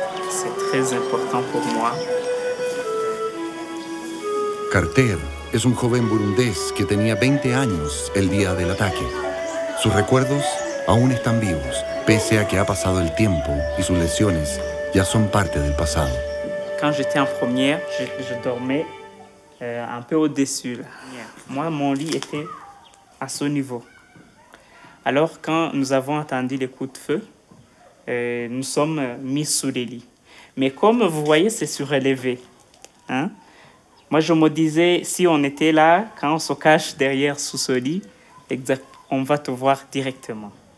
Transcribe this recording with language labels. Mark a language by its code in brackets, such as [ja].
[fr] C'est très important pour moi. [es] Carter es un joven burundés que tenía 20 años el día del ataque. Sus recuerdos aún están vivos, pese a que ha pasado el tiempo y sus lesiones ya son parte del pasado. [fr] Quand j'étais en première, je dormais un peu au-dessus. Moi, mon lit était à ce niveau. Alors, quand nous avons entendu les coups de feu, nous sommes mis sous les lits. Mais comme vous voyez, c'est surélevé. Hein? Moi, je me disais, si on était là, quand on se cache derrière sous ce lit, on va te voir directement.